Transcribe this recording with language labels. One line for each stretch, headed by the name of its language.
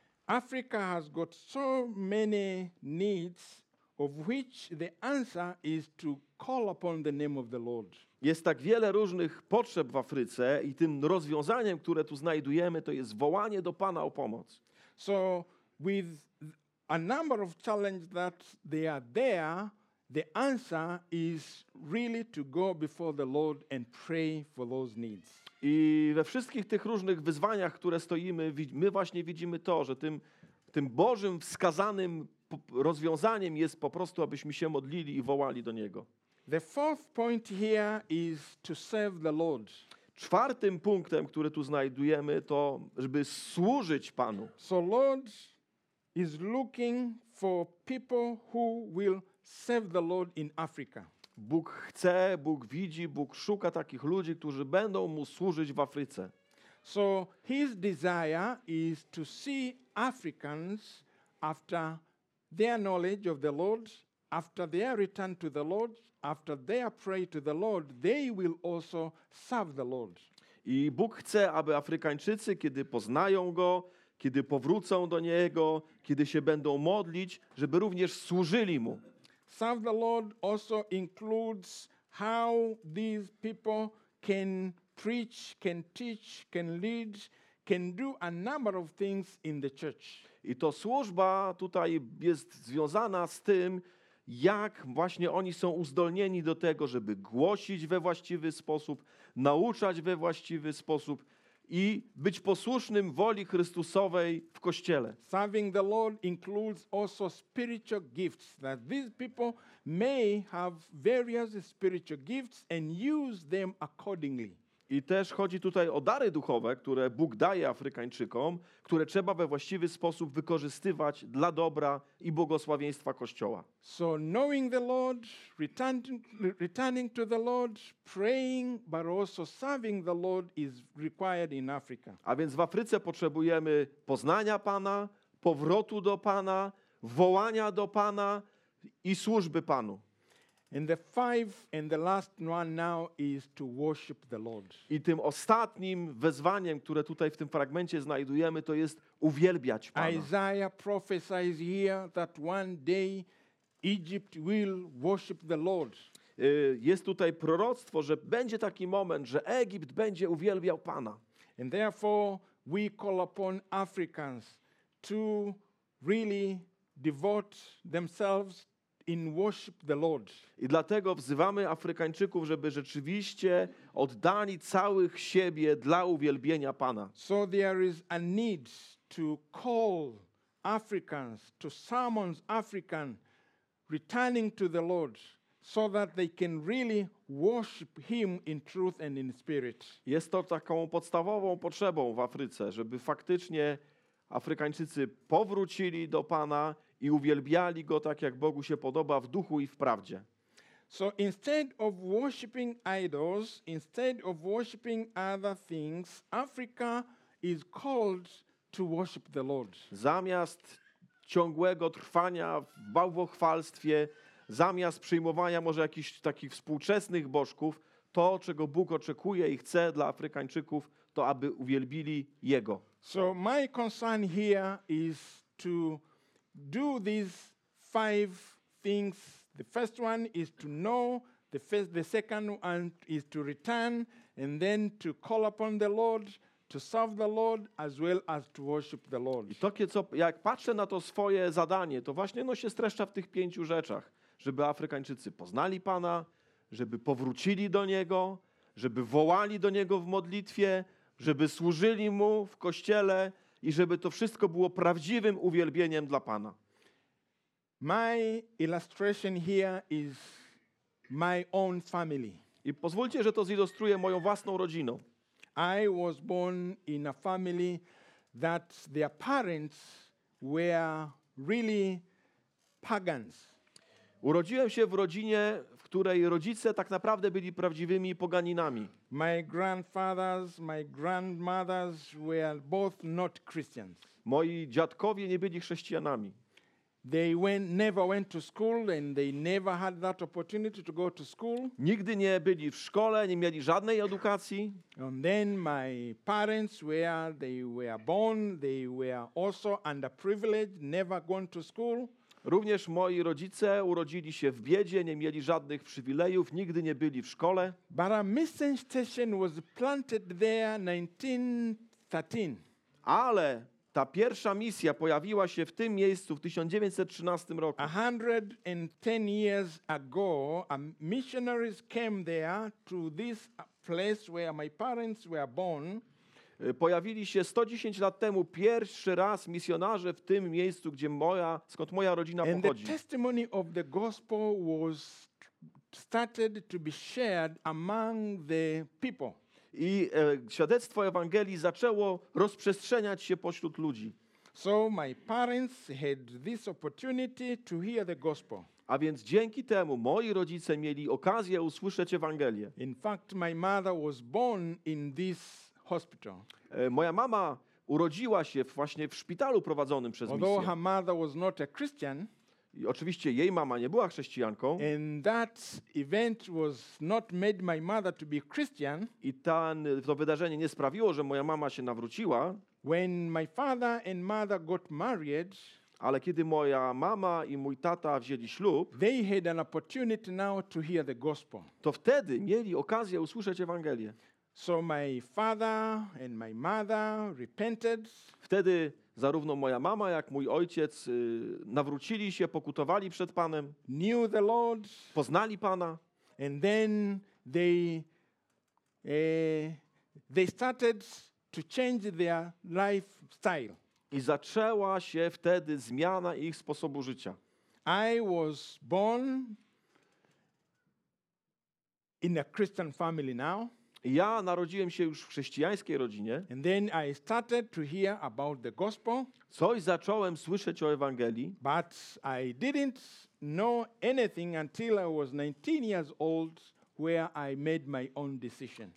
English: Africa has got so many needs, of which the answer is to call upon the name of the Lord.
Polish: Jest tak wiele różnych potrzeb w Afryce i tym rozwiązaniem, które tu znajdujemy, to jest wołanie do Pana o pomoc.
English: So with a number of challenges that they are there, the answer is really to go before the Lord and pray for those needs.
Polish: I we wszystkich tych różnych wyzwaniach, które stoimy, my właśnie widzimy to, że tym Bożym wskazanym rozwiązaniem jest po prostu, abyśmy się modlili i wołali do Niego.
English: The fourth point here is to serve the Lord.
Polish: Czwartym punktem, który tu znajdujemy, to żeby służyć Panu.
English: So Lord is looking for people who will serve the Lord in Africa.
Polish: Bóg chce, Bóg widzi, Bóg szuka takich ludzi, którzy będą mu służyć w Afryce.
English: So his desire is to see Africans after their knowledge of the Lord, after their return to the Lord, after their prayer to the Lord, they will also serve the Lord.
Polish: I Bóg chce, aby Afrykańczycy, kiedy poznają go, kiedy powrócą do niego, kiedy się będą modlić, żeby również służyli mu.
English: Serve the Lord also includes how these people can preach, can teach, can lead, can do a number of things in the church.
Polish: I to służba tutaj jest związana z tym, jak właśnie oni są uzdolnieni do tego, żeby głosić we właściwy sposób, nauczać we właściwy sposób i być posłusznym woli Chrystusowej w Kościele.
English: Serving the Lord includes also spiritual gifts, that these people may have various spiritual gifts and use them accordingly.
Polish: I też chodzi tutaj o dary duchowe, które Bóg daje Afrykańczykom, które trzeba we właściwy sposób wykorzystywać dla dobra i błogosławieństwa Kościoła.
English: So knowing the Lord, returning to the Lord, praying, but also serving the Lord is required in Africa.
Polish: A więc w Afryce potrzebujemy poznania Pana, powrotu do Pana, wołania do Pana i służby Panu.
English: And the five and the last one now is to worship the Lord.
Polish: I tym ostatnim wezwaniem, które tutaj w tym fragmencie znajdujemy, to jest uwielbiać Pana.
English: Isaiah prophesies here that one day Egypt will worship the Lord.
Polish: Jest tutaj proroctwo, że będzie taki moment, że Egipt będzie uwielbiał Pana.
English: And therefore we call upon Africans to really devote themselves in worship the Lord.
Polish: I dlatego wzywamy Afrykańczyków, żeby rzeczywiście oddali całych siebie dla uwielbienia Pana.
English: So there is a need to call Africans, to summon Africans returning to the Lord, so that they can really worship him in truth and in spirit.
Polish: Jest to taką podstawową potrzebą w Afryce, żeby faktycznie Afrykańczycy powrócili do Pana i uwielbiali go tak, jak Bogu się podoba, w duchu i w prawdzie.
English: So instead of worshiping idols, instead of worshiping other things, Africa is called to worship the Lord.
Polish: Zamiast ciągłego trwania w bałwochwalstwie, zamiast przyjmowania może jakichś takich współczesnych bożków, to, czego Bóg oczekuje i chce dla Afrykańczyków, to aby uwielbili Jego.
English: So my concern here is to do these five things. The first one is to know, the second one is to return, and then to call upon the Lord, to serve the Lord, as well as to worship the Lord.
Polish: I to, jak patrzę na to swoje zadanie, to właśnie ono się streszcza w tych pięciu rzeczach. Żeby Afrykańczycy poznali Pana, żeby powrócili do Niego, żeby wołali do Niego w modlitwie, żeby służyli Mu w Kościele, i żeby to wszystko było prawdziwym uwielbieniem dla Pana.
English: My illustration here is my own family.
Polish: I pozwólcie, że to zilustruję moją własną rodziną.
English: I was born in a family that their parents were really pagans.
Polish: Urodziłem się w rodzinie, w której rodzice tak naprawdę byli prawdziwymi poganinami.
English: My grandfathers, my grandmothers were both not Christians.
Polish: Moi dziadkowie nie byli chrześcijanami.
English: They never went to school and they never had that opportunity to go to school.
Polish: Nigdy nie byli w szkole, nie mieli żadnej edukacji.
English: And then my parents were born, they were also underprivileged, never gone to school.
Polish: Również moi rodzice urodzili się w biedzie, nie mieli żadnych przywilejów, nigdy nie byli w szkole.
English: But a mission station was planted there 1913.
Polish: Ale ta pierwsza misja pojawiła się w tym miejscu w 1913 roku.
English: 110 years ago, missionaries came there to this place where my parents were born.
Polish: Pojawili się 110 lat temu pierwszy raz misjonarze w tym miejscu, gdzie skąd moja rodzina
English: and
Polish: pochodzi.
English: The testimony of the gospel was started to be shared among the people.
Polish: I świadectwo Ewangelii zaczęło rozprzestrzeniać się pośród ludzi.
English: So my parents had this opportunity to hear the gospel.
Polish: A więc dzięki temu moi rodzice mieli okazję usłyszeć Ewangelię.
English: In fact, my mother was born in this hospital.
Polish: Moja mama urodziła się właśnie w szpitalu prowadzonym przez misję.
English: Although her mother was not a Christian.
Polish: I oczywiście jej mama nie była chrześcijanką.
English: And that event was not made my mother to be Christian.
Polish: I to wydarzenie nie sprawiło, że moja mama się nawróciła.
English: When my father and mother got married,
Polish: Ale kiedy moja mama i mój tata wzięli ślub,
English: they had an opportunity now to hear the gospel.
Polish: To wtedy mieli okazję usłyszeć Ewangelię.
English: So my father and my mother repented.
Polish: Wtedy zarówno moja mama, jak mój ojciec nawrócili się, pokutowali przed Panem.
English: Knew the Lord.
Polish: Poznali Pana.
English: And then they started to change their lifestyle.
Polish: I zaczęła się wtedy zmiana ich sposobu życia.
English: I was born in a Christian family now.
Polish: Ja narodziłem się już w chrześcijańskiej rodzinie.
English: And then I started to hear about the gospel.
Polish: Coś zacząłem słyszeć o Ewangelii.
English: But I didn't know anything until I was 19 years old, where I made my own decision.